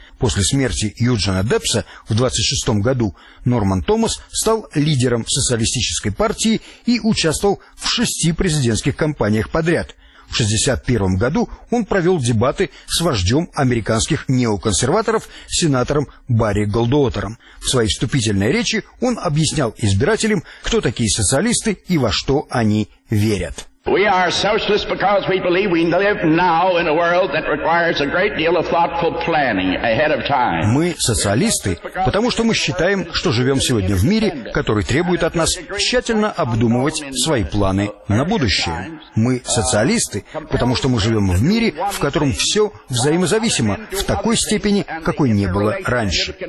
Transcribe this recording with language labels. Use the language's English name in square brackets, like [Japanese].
[Russian] После смерти Юджина Дебса в 1926 году Норман Томас стал лидером социалистической партии и участвовал в 6 президентских кампаниях подряд – в 1961 году он провел дебаты с вождем американских неоконсерваторов, сенатором Барри Голдуотером. В своей вступительной речи он объяснял избирателям, кто такие социалисты и во что они верят. [English] We are socialists because we believe we live now in a world that requires a great deal of thoughtful planning ahead of time. [Russian] Мы социалисты, потому что мы считаем, что живем сегодня в мире, который требует от нас тщательно обдумывать свои планы на будущее. Мы социалисты, потому что мы живем в мире, в котором все взаимозависимо в такой степени, какой не было раньше.